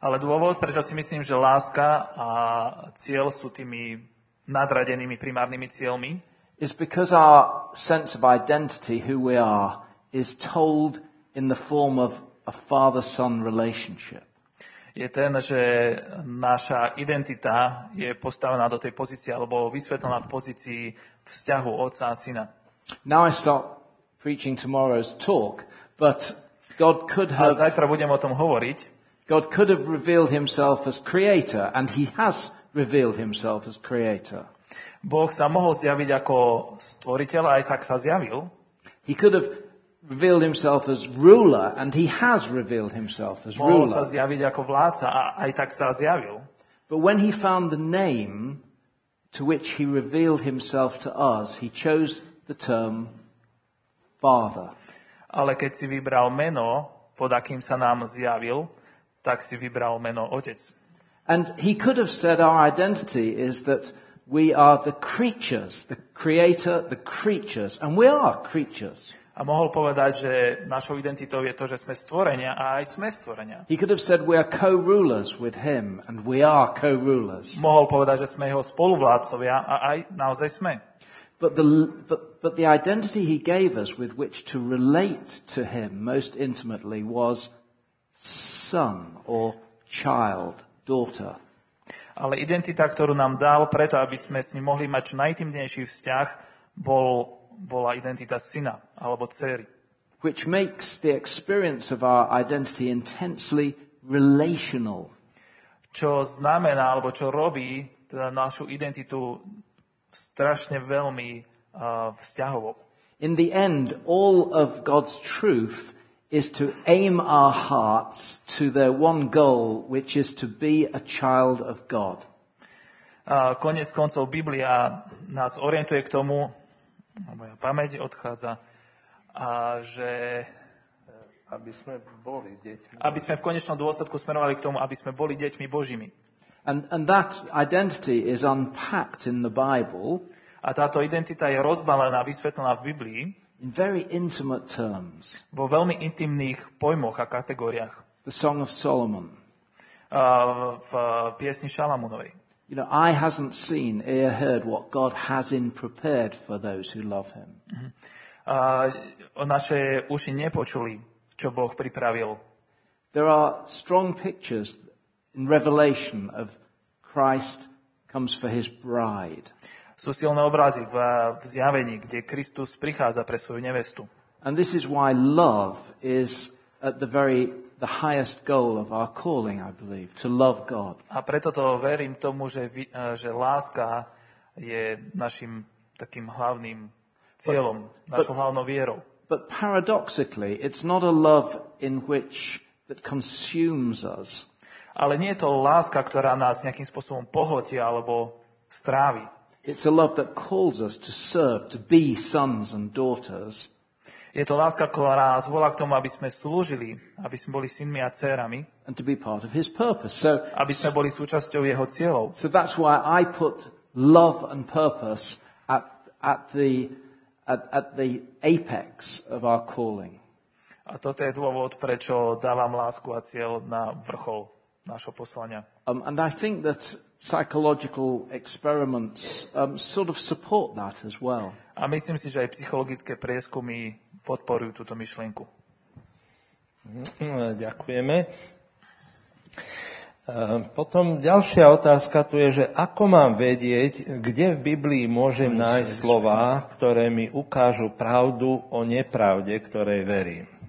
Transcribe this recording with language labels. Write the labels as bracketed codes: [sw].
[sk] Ale dôvod, prečo si myslím, že láska a cieľ sú tými nadradenými primárnymi cieľmi, [en] is because our sense of identity, who we are, is told in the form of a father-son relationship. [sk] Je ten, že naša identita je postavená do tej pozície alebo vysvetlená v pozícii vzťahu otca a syna. [en] Now I stop preaching tomorrow's talk, but God could have. [sk] A zajtra budem o tom hovoriť. [en] God could have revealed himself as creator and he has revealed himself as creator. [sk] Boh sa mohol zjaviť ako stvoriteľ a aj tak sa zjavil. [en] He could have revealed himself as ruler and he has revealed himself as ruler. [sk] Mohol sa zjaviť ako vládca a aj tak sa zjavil. [en] But when he found the name to which he revealed himself to us, he chose the term father. [sk] Ale keď si vybral meno, pod akým sa nám zjavil, tak si vybral meno otec. [en] And he could have said our identity is that we are the creatures, the creator, the creatures, and we are creatures. [sk] A mohol povedať, že našou identitou je to, že sme stvorenia a aj sme stvorenia. [en] He could have said we are co-rulers with him and we are co-rulers. [sk] Mohol povedať, že sme jeho spoluvládcovia a aj naozaj sme. [en] But the identity he gave us with which to relate to him most intimately was son or child, daughter. [sk] Ale identita, ktorú nám dal preto, aby sme s ním mohli mať čo najintimnejší vzťah, bola identita syna alebo dcery. [en] Which makes the experience of our identity intensely relational. [sk] Čo znamená, alebo čo robí teda našu identitu strašne veľmi vzťahovo. [en] In the end, all of God's truth is to aim our hearts to their one goal, which is to be a child of God. [sk] Koniec koncov Biblia nás orientuje k tomu, moja pamäť odchádza, že aby sme v konečnom dôsledku smerovali k tomu, aby sme boli deťmi Božími. [en] And that identity is unpacked in the Bible. [sk] A táto identita je rozbalená, vysvetlená v Biblii. [en] In very intimate terms. [sk] Vo veľmi intimných pojmoch a kategóriách. [en] The Song of Solomon. [sk] V piesni Šalamúnovej. [en] You know, eye hasn't seen, ear heard what God has in prepared for those who love him. [sk] Naše uši nepočuli, čo Boh pripravil. [en] There are strong pictures in Revelation of Christ comes for his bride. [sk] Sú silné obrazy v Zjavení, kde Kristus prichádza pre svoju nevestu. [en] And this is why love is at the highest goal of our calling, I believe, to love God. [sk] A preto to verím tomu, že láska je našim takým hlavným cieľom, našou hlavnou vierou. [en] But paradoxically, it's not a love in which that consumes us. [sk] Ale nie je to láska, ktorá nás nejakým spôsobom pohltí alebo strávi. [en] It's a love that calls us to serve, to be sons and daughters. [sk] Je to láska, ktorá nás volá k tomu, aby sme slúžili, aby sme boli synmi a dcérami. [en] And to be part of his purpose. So, [sk] aby sme boli súčasťou jeho cieľov. [en] So that's why I put love and purpose at the apex of our calling. [sk] A toto je dôvod, prečo dávam lásku a cieľ na vrchol nášho poslania. [en] And I think that psychological experiments sort of support that as well. [sk] A myslím si, že aj psychologické prieskumy podporujú túto myšlienku. Ďakujeme. Potom ďalšia otázka tu je, že ako mám vedieť, kde v Biblii môžem nájsť slová, ktoré mi ukážu pravdu o nepravde, ktorej verím.